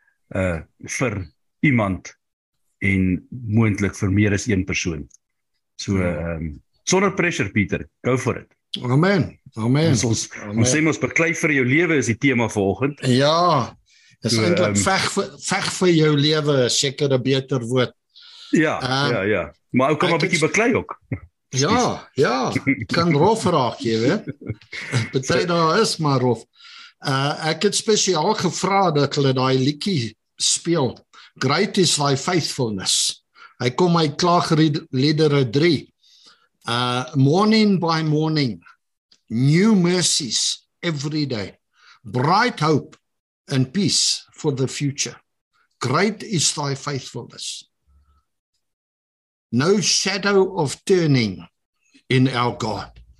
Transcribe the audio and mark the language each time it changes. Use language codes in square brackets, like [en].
[af] Vir iemand en moontlik vir meer as een persoon. So sonder pressure Pieter, [en] go for it. [af] Amen. Amen. Ons sê mos beklei vir jou lewe is die tema vanoggend. Ja. Dis so, eintlik veg vir jou lewe, seker 'n beter woord. Ja, ja. Maar ook kan 'n bietjie beklei ook. Ja, ja. Kan rof raak jy, weet. Betry daar is maar rof. Ek het spesiaal gevra dat hulle daai liedjie speel. [en] Great is thy faithfulness. [af] Hy kom uit Klaagliedere 3. [en] Morning by morning, new mercies every day. Bright hope and peace for the future. Great is thy faithfulness. No shadow of turning in our God.